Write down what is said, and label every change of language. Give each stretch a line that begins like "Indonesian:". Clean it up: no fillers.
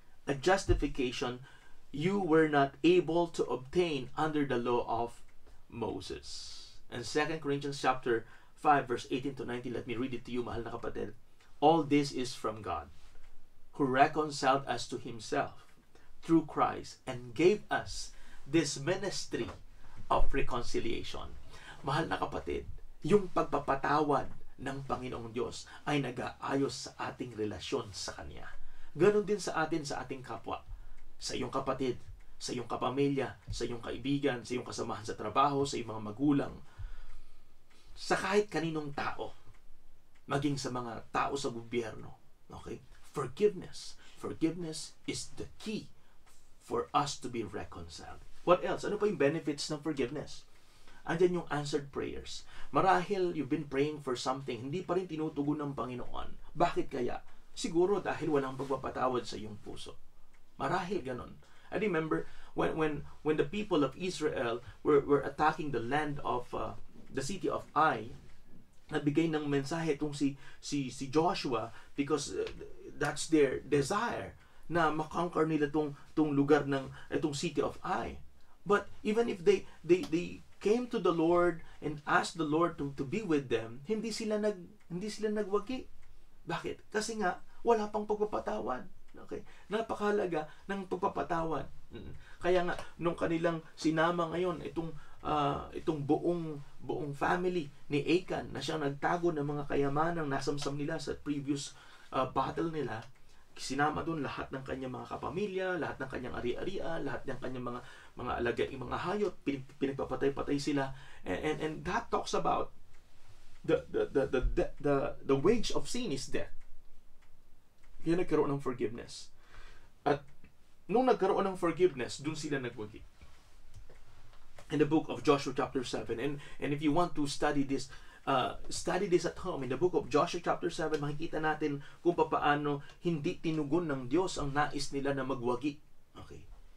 English: A justification you were not able to obtain under the law of Moses. And 2 Corinthians chapter 5, verse 18 to 19, let me read it to you,
Filipino: mahal na kapatid.
English: All this is from God, who reconciled us to himself through Christ and gave us this ministry of reconciliation.
Filipino: Mahal na kapatid, yung pagpapatawad ng Panginoong Diyos ay nag-aayos sa ating relasyon sa Kanya. Ganon din sa atin, sa ating kapwa, sa iyong kapatid, sa iyong kapamilya, sa iyong kaibigan, sa iyong kasamahan sa trabaho, sa iyong mga magulang, sa kahit kaninong tao, maging sa mga tao sa gobyerno.
English: Okay? Forgiveness. Forgiveness is the key for us to be reconciled. What else?
Filipino: Ano pa yung benefits ng forgiveness? Andyan yung answered prayers. Marahil
English: you've been praying for something,
Filipino: hindi pa rin tinutugon ng Panginoon. Bakit kaya? Siguro dahil walang pagpapatawad sa iyong puso. Marahil ganun.
English: I remember when the people of Israel were attacking the land of the city of Ai,
Filipino: nabigay ng mensahe itong si Joshua
English: because that's their desire
Filipino: na makonquer nila itong lugar ng itong city of Ai.
English: But even if they came to the Lord and asked the Lord to be with them,
Filipino: hindi sila nagwagi. Bakit? Kasi nga wala pang pagpapatawad. Okay? Napakahalaga ng pagpapatawad. Kaya nga nung kanilang sinama ngayon itong buong family ni Achan na siyang nagtago ng mga kayamanang nasamsam nila sa
English: previous battle
Filipino: nila, sinama doon lahat ng kanyang mga kapamilya, lahat ng kanyang ari-arian, lahat ng kanyang mga alagaan, mga hayop, pinagpapatay-patay sila.
English: And that talks about the wage of sin is death.
Filipino: Yan nagkaroon ng forgiveness. At nung nagkaroon ng forgiveness, dun sila nagwagi.
English: In the book of Joshua chapter 7, and if you want to study this at home, in the book of Joshua chapter 7,
Filipino: makikita natin kung paano hindi tinugon ng Diyos ang nais nila na magwagi.
English: Okay.